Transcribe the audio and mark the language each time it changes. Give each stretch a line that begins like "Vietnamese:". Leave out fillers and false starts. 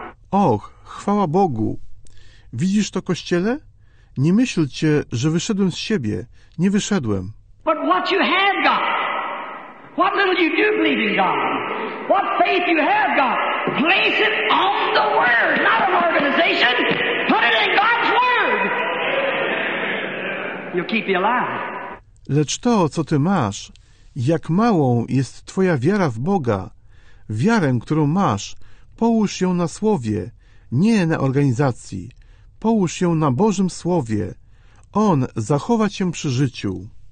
Polish: Och, chwała Bogu! Widzisz to, Kościele? Nie myślcie, że wyszedłem z siebie. Nie wyszedłem.
English: But what you have got? What little you do believe in God? What faith you have got? Place it on the Word, not an organization. Put it in God's Word. You'll keep you alive.
Polish: Lecz to, co ty masz, jak małą jest twoja wiara w Boga, wiarę, którą masz, połóż ją na Słowie, nie na organizacji. Połóż ją na Bożym Słowie. On zachowa cię przy życiu.